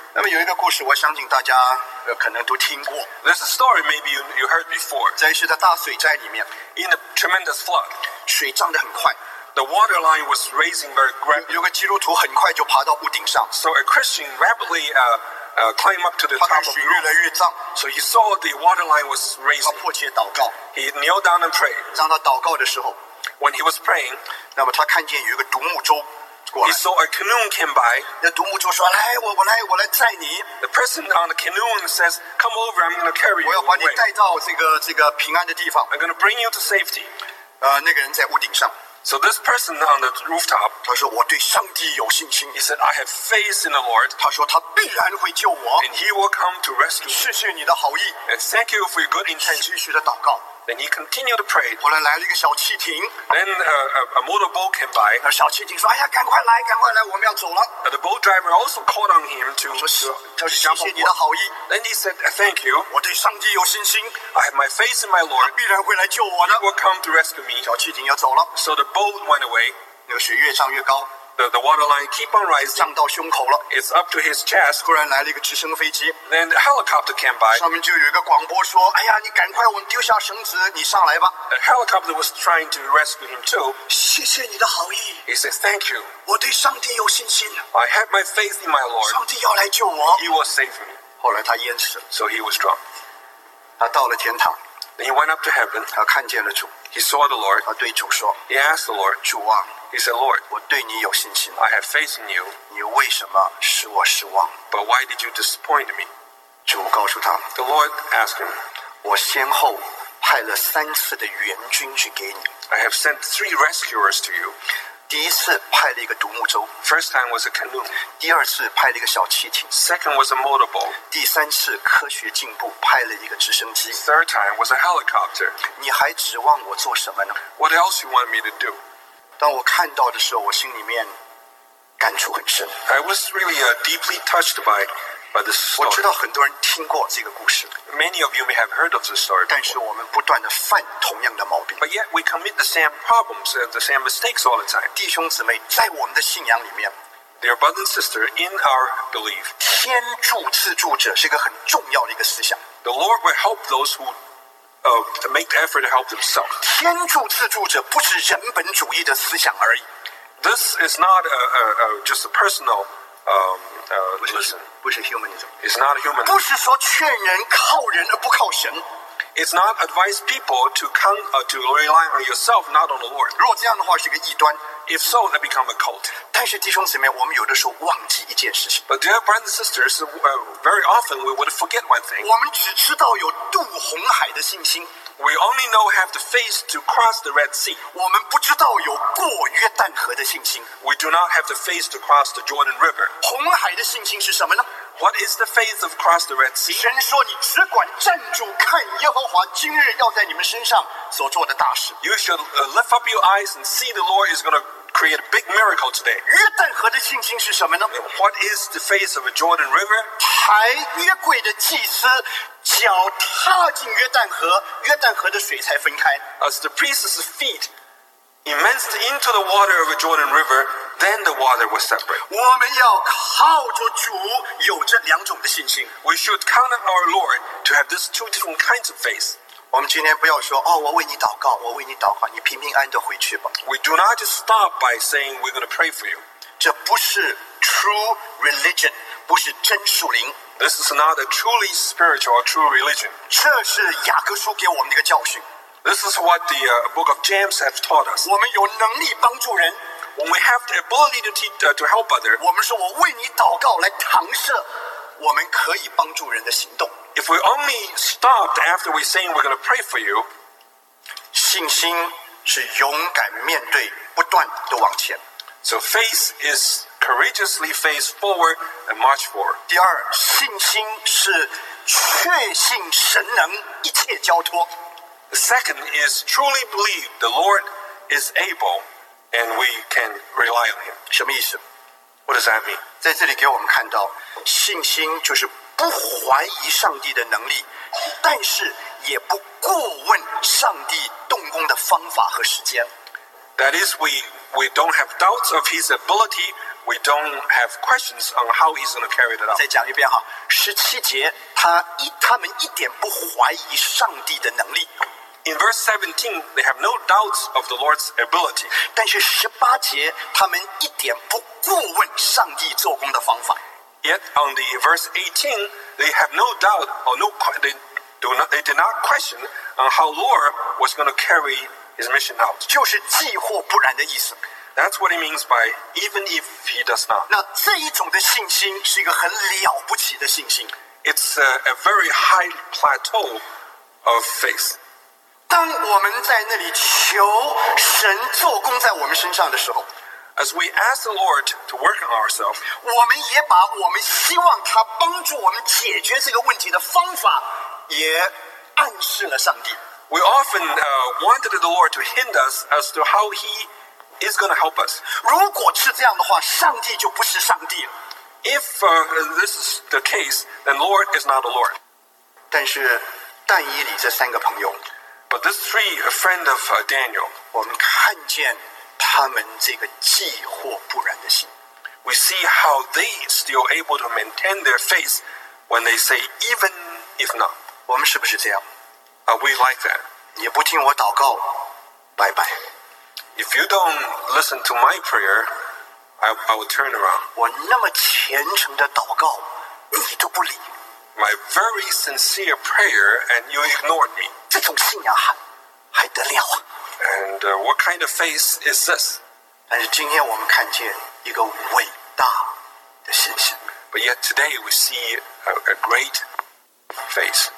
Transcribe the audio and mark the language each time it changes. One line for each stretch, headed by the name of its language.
Chinese: 那么有一个故事，我相信大家可能都听过。
English: There's a story maybe you heard before.
Chinese: 在一次的大水灾里面
English: ，in a tremendous flood,
Chinese: 水涨得很快。
English: The water line was raising very rapidly.
Chinese: 有个基督徒很快就爬到屋顶上。
English: So a Christian rapidly climb up to the top of the roof.
Chinese: 越来越脏。
English: So he saw the water line was raising.
Chinese: 他迫切祷告。
English: He kneeled down and prayed.
Chinese: 当他祷告的时候
English: ，when he was praying,
Chinese: 那么他看见有一个独木舟过来。
English: He saw a canoe came by.
Chinese: 那独木舟说：“来，我来载你。
English: ”The person on the canoe says, "Come over, I'm going to carry you."
Chinese: 我要把你带到这个平安的地方。
English: I'm going to bring you to safety.
Chinese: 那个人在屋顶上。
English: So this person on the rooftop,
Chinese: 他说我对上帝有信心。
English: He said I have faith in the Lord.
Chinese: 他说他必然会救我。
English: And he will come to rescue.
Chinese: 谢谢你的好意。
English: And thank you for your good intention.
Chinese: 继续的祷告。
English: Then he continued to pray.
Chinese: 后来来了一个小汽艇。
English: Then a motorboat came by.
Chinese: 那小汽艇说：“哎呀，赶快来，赶快来，我们要走了。
English: ”The boat driver also called on him to.
Chinese: 说：“谢谢你的好意。
English: ”Then he said, "Thank you."
Chinese: 我对上帝有信心。
English: I have my faith in my Lord.
Chinese: 他必然会来救我的。
English: He will come to rescue me.
Chinese: 小汽艇要走了。
English: So the boat went away.
Chinese: 那个水越上越高。
English: The water line keep on rising.
Chinese: 上到胸口了。
English: It's up to his chest.
Chinese: 忽然来了一个直升飞机。
English: Then the helicopter came by.
Chinese: 上面就有一个广播说：“哎呀，你赶快，我们丢下绳子，你上来吧。
English: ”The helicopter was trying to rescue him too.
Chinese: 谢谢你的好意。
English: He said, "Thank you."
Chinese: 我对上帝有信心。
English: I have my faith in my Lord.
Chinese: 上帝要来救我。
English: He will save me.
Chinese: 后来他淹死了。
English: So he was drunk.
Chinese: 他到了天堂。
English: Then he went up to heaven.
Chinese: 他看见了主。
English: He saw the Lord.
Chinese: 他对主说。
English: He asked the Lord.
Chinese: 主啊。
English: He said, "Lord,
Chinese: 我对你有信心。
English: I have faith in you.
Chinese: 你为什么使我失望
English: ？But why did you disappoint me?"
Chinese: 主告诉他
English: ，The Lord asked him,
Chinese: 我先后派了三次的援军去给你。
English: I have sent three rescuers to you.
Chinese: 第一次派了一个独木舟
English: ，First time was a canoe.
Chinese: 第二次派了一个小汽艇
English: ，Second was a motorboat.
Chinese: 第三次科学进步派了一个直升机
English: ，Third time was a helicopter.
Chinese: 你还指望我做什么呢
English: ？What else you want me to do?
Chinese: 当我看到的时候，我心里面感触很深。
English: I was really deeply touched by this story.
Chinese: 我知道很多人听过这个故事。
English: Many of you may have heard of this story.
Chinese: 但是我们不断的犯同样的毛病。
English: But yet we commit the same problems, the same mistakes all the time.
Chinese: 弟兄姊妹，在我们的信仰里面。
English: Dear brother and sister, in our belief.
Chinese: 天助自助者是一个很重要的一个思想。
English: The Lord will help those who. To make the effort to help themselves.
Chinese: 天助自助者不是人本主义的思想而已。
English: This is not just a personal listen.
Chinese: 不是 humanism.
English: It's not human.
Chinese: 不是说劝人靠人而不靠神。
English: It's not advise people to rely on yourself, not on the Lord.
Chinese: 如果这样的话是个异端。
English: If so, that become a cult.
Chinese: 但是弟兄姊妹，我们有的时候忘记一件事情。
English: But dear brothers and sisters, very often we would forget one thing.
Chinese: 我们只知道有渡红海的信心。
English: We only know have the faith to cross the Red Sea.
Chinese: 我们不知道有过约旦河的信心。
English: We do not have the faith to cross the Jordan River.
Chinese: 红海的信心是什么呢？
English: What is the faith of cross the Red Sea?
Chinese: 神说你只管站住看耶和华今日要在你们身上所做的大事。
English: You should lift up your eyes and see the Lord is going to create a big miracle today.
Chinese: 约旦河的信心是什么呢？
English: What is the faith of a Jordan River?
Chinese: 抬约柜的祭司脚踏进约旦河，约旦河的水才分开。
English: As the priest's feet immersed into the water of a Jordan River,Then the water was separate.
Chinese: 我们要靠着主有这两种的信心。
English: We should count on our Lord to have these two different kinds of faith.
Chinese: 我们今天不要说哦，我为你祷告，我为你祷告，你平平安的回去吧。
English: We do not just stop by saying we're going to pray for you.
Chinese: 这不是
English: true religion，
Chinese: 不是真属灵。
English: This is not a truly spiritual or true religion.
Chinese: 这是雅各书给我们的一个教训。
English: This is what the book of James has taught us.
Chinese: 我们有能力帮助人。
English: When we have the ability to help others,
Chinese: 我们说我为你祷告来搪塞我们可以帮助人的行动。
English: If we only stopped after we saying we're going to pray for you,
Chinese: 信心是勇敢面对，不断的往前。
English: So faith is courageously face forward and march forward.
Chinese: 第二，信心是确信神能一切交托。
English: The second is truly believe the Lord is able. And we can rely on him.
Chinese: 什么意思
English: ？What does that mean?
Chinese: 在这里给我们看到，信心就是不怀疑上帝的能力，但是也不过问上帝动工的方法和时间。
English: That is, we don't have doubts of his ability. We don't have questions on how he's going to carry it out.
Chinese: 再讲一遍哈，十七节，他们一点不怀疑上帝的能力。
English: In verse 17, they have no doubts of the Lord's ability.
Chinese: 但是十八节，他们一点不过问上帝做工的方法。
English: Yet on the verse 18, they have no doubt or no they did not question on how Lord was going to carry his mission out.
Chinese: 就是既或不然的意思。
English: That's what he means by even if he does not.
Chinese: 那这一种的信心是一个很了不起的信心。
English: It's a very high plateau of faith.
Chinese: 当我们在那里求神做工在我们身上的时候，
English: As we ask the Lord to work on ourselves,
Chinese: 我们也把我们希望他帮助我们解决这个问题的方法也暗示了上帝。
English: We often wanted the Lord to hint us as to how he is going to help us.
Chinese: 如果是这样的话，上帝就不是上帝了。
English: If this is the case, then Lord is not the Lord.
Chinese: 但是但以理这三个朋友，
English: But these three friends of Daniel,
Chinese: 我们看见他们这个既惑不然的心。
English: We see how they still able to maintain their faith when they say, even if not.
Chinese: 我们是不是这样？
English: Are we like that?
Chinese: 你不听我祷告，拜拜。
English: If you don't listen to my prayer, I will turn around.
Chinese: 我那么虔诚的祷告，你都不理。
English: My very sincere prayer, and you ignored me.
Chinese: 这种信仰还得了啊？
English: And what kind of faith is this?
Chinese: 但是今天我们看见一个伟大的信心。
English: But yet today we see a great faith.